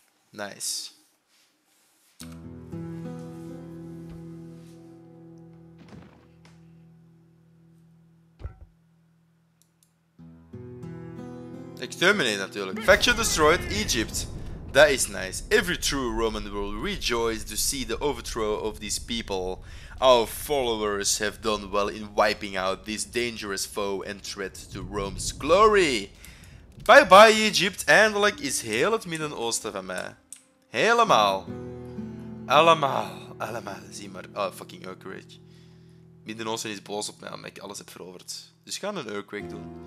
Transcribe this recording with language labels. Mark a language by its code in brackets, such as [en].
[en] Nice. [nl] Exterminate natuurlijk. [en] Faction destroyed Egypt. That is nice. Every true Roman will rejoice to see the overthrow of these people. Our followers have done well in wiping out this dangerous foe and threat to Rome's glory. Bye bye Egypt, [nl] eindelijk is heel het Midden-Oosten van mij. Helemaal. Allemaal. Zie maar. [en] Oh, fucking earthquake. [nl] Midden-Oosten is boos op mij omdat ik alles heb veroverd. Dus gaan een earthquake doen.